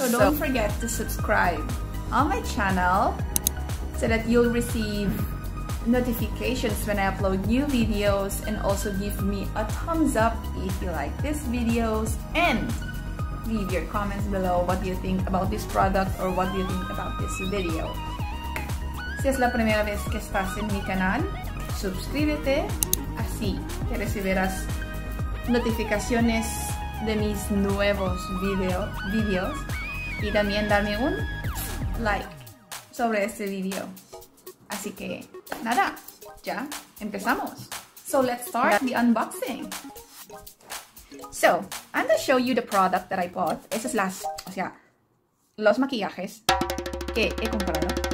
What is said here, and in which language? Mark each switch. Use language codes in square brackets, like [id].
[en] So don't forget to subscribe on my channel so that you'll receive notifications when I upload new videos, and also give me a thumbs up if you like these videos, and leave your comments below what you think about this product or what you think about this video. [es] Si es la primera vez que estás en mi canal, suscríbete, así que recibirás notificaciones de mis nuevos videos y también dame un like sobre este video. Así que nada, ya empezamos. [en] So let's start the unboxing. So, I'm gonna show you the product that I bought. [es] Esas las, o sea, los maquillajes que he comprado.